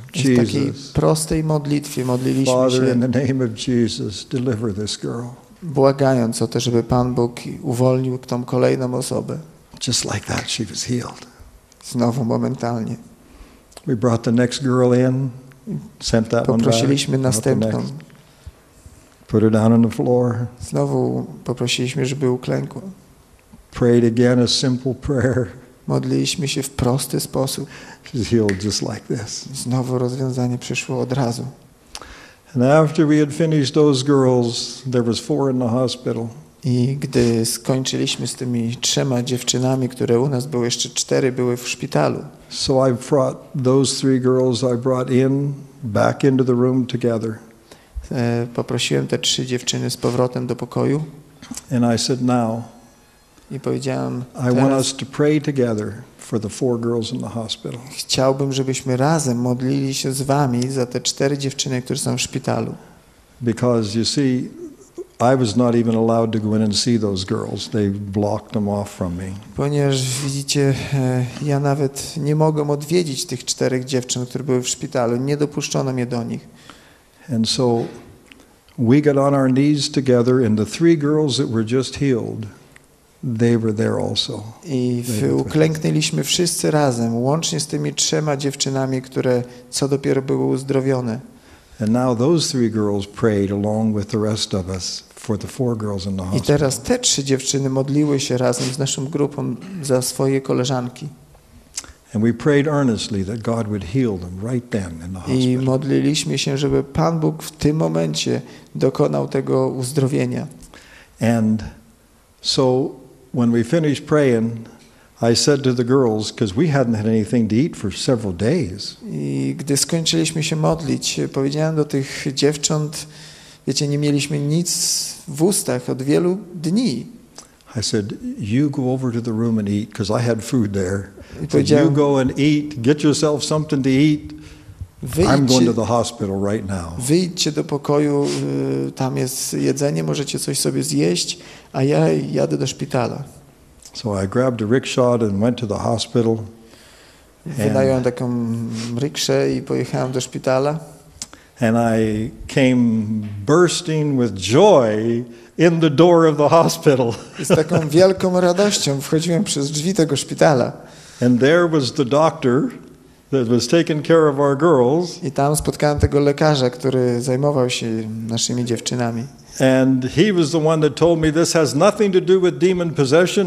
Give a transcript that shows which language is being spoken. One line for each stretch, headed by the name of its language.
Polish: Jesus. W takiej prostej modlitwie modliliśmy się.
English: Father, in the name of Jesus, deliver this girl.
Polish: Błagając o to, żeby Pan Bóg uwolnił tą kolejną osobę.
English: Just like that, she was healed.
Polish: Znowu momentalnie.
English: We brought the next girl in, sent that one back.
Polish: Poprosiliśmy następną.
English: Put her down on the floor.
Polish: Znowu poprosiliśmy, żeby uklękła.
English: Prayed again a simple prayer.
Polish: Modliliśmy się w prosty sposób.
English: She's healed just like this.
Polish: Znowu rozwiązanie przyszło od razu.
English: And after we had finished those girls, there was four in the hospital.
Polish: I gdy skończyliśmy z tymi trzema dziewczynami, które u nas były, jeszcze cztery były w szpitalu.
English: So I brought those three girls I brought in back into the room together.
Polish: Poprosiłem te trzy dziewczyny z powrotem do pokoju.
English: And I said, now,
Polish: i powiedziałem,
English: I want us to pray together for the four girls in the hospital.
Polish: Chciałbym, żebyśmy razem modlili się z wami za te cztery dziewczyny, które są w szpitalu.
English: Because you see, I was not even allowed to go in and see those girls. They blocked them off from me.
Polish: Ponieważ widzicie, ja nawet nie mogłem odwiedzić tych czterech dziewczyn, które były w szpitalu. Nie dopuszczono mnie do nich.
English: And so we got on our knees together and the three girls that were just healed, they were there also.
Polish: I uklęknęliśmy wszyscy razem, łącznie z tymi trzema dziewczynami, które co dopiero były uzdrowione.
English: And now those three girls prayed along with the rest of us for the four girls in the hospital.
Polish: I teraz te trzy dziewczyny modliły się razem z naszą grupą za swoje koleżanki.
English: And we prayed earnestly that God would heal them right then in the hospital.
Polish: I modliliśmy się, żeby Pan Bóg w tym momencie dokonał tego uzdrowienia.
English: And so when we finished praying, I said to the girls, because we hadn't had anything to eat for several days.
Polish: I gdy skończyliśmy się modlić, powiedziałem do tych dziewcząt, wiecie, nie mieliśmy nic w ustach od wielu dni.
English: I said, you go over to the room and eat, because I had food there. So you go and eat, get yourself something to eat. I'm going to the hospital right now.
Polish: Wyjdźcie do pokoju, tam jest jedzenie, możecie coś sobie zjeść, a ja jadę do szpitala.
English: So I grabbed a rickshaw and went to the hospital.
Polish: Wynająłem taką rikszę i pojechałem do szpitala.
English: And I came bursting with joy in the door of the hospital.
Polish: Z taką wielką radością wchodziłem przez drzwi tego szpitala.
English: And there was the doctor that was taking care of our girls.
Polish: I tam spotkałem tego lekarza, który zajmował się naszymi dziewczynami.
English: And he was the one that told me this has nothing to do with demon possession.